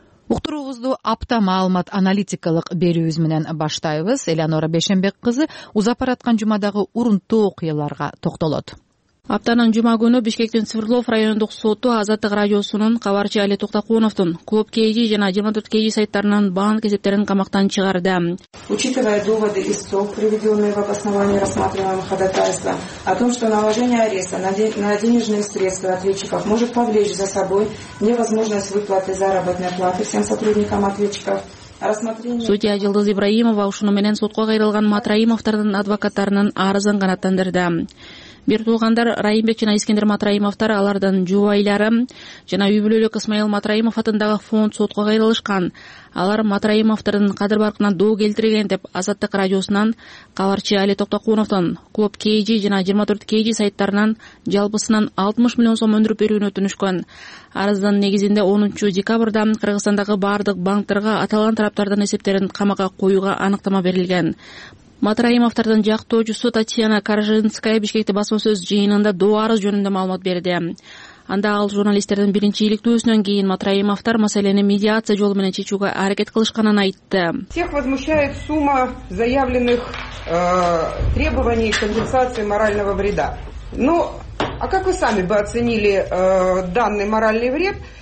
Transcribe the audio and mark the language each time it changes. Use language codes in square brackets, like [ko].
[ky] Уктуруубузду апта маалымат аналитикалык берүүбүз менен баштайбыз. Элеонора Бешенбек кызы узап бараткан жумадагы урунтуу окуяларга токтолот. Аптанын жума күнү Бишкектин Свердлов райондук соту Азаттык радиосунун кабарчы Али Токтокуновдун Клуб КГ жана 24 КГ сайттарынын банк эсептерин камактан чыгарды. [ru] Учитывая доводы истов, приведенные в обосновании рассматриваемого ходатайства о том, что наложение ареста на денежные средства ответчиков может повлечь за собой невозможность выплаты заработной платы всем сотрудникам ответчиков, [ky] Судья Жылдыз Ибраимова ушуну менен сотко кайрылган Матраимовтордун адвокаттарынын арызын канааттандырды. Бир туугандар Райымбек жана Искендер Матраимовтор, алардын жубайлары жана үй бүлөлүк Исмаил Матраимов атындагы фонд сотко кайрылышкан. Алар Матраимовтордун кадыр баркына доо келтирген деп Азаттык радиосунан кабарчы Али Токтокуновдон Клуб КГ жана 24 КГ сайттарынан жалпысынан 60 миллион сом өндүрүп берүүнү өтүнүшкөн. Арыздын негизинде 10 декабрда Кыргызстандагы баардык банктарга аталган тараптардын эсептерин камакка коюуга аныктама берилген. Матраимовтордун жактоочусу Татьяна Каржинская Бишкекте басма сөз жыйынында доо арыз жөнүндө маалымат берди. Анда ал журналисттердин биринчи иликтөөсүнөн кийин Матраимовтор маселени медиация жолу менен чечүүгө аракет кылышканын айтты. [ru] Всех возмущает сумма заявленных требований компенсации морального вреда. Ну, а как вы сами бы оценили данный моральный вред?